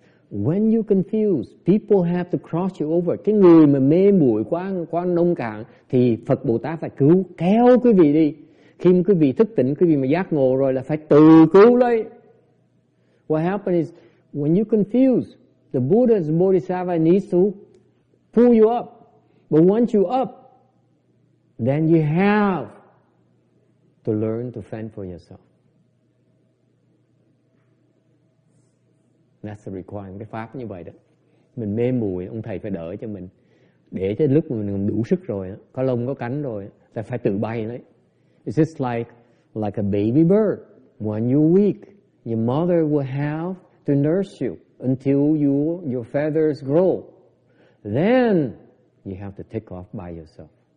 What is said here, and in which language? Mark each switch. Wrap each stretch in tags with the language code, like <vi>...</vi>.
<en>When you confuse, people have to cross you over.</en> <vi>Cái người mà mê muội quá nông cạn thì Phật Bồ Tát phải cứu, kéo quý vị đi. Khi quý vị thức tỉnh, quý vị mà giác ngộ rồi là phải tự cứu lấy.</vi> <en>What happens is, when you confuse, the Buddha's Bodhisattva needs to pull you up. But once you up, then you have to learn to fend for yourself. That's the requirement.</en> <vi>Cái pháp như vậy đó. Mình mê muội, ông thầy phải đỡ cho mình. Để cho lúc mình đủ sức rồi, có lông, có cánh rồi, là phải tự bay đấy.</vi> <en>It's just like a baby bird. When you're weak, your mother will have to nurse you until your feathers grow. Then you have to take off by yourself.</en>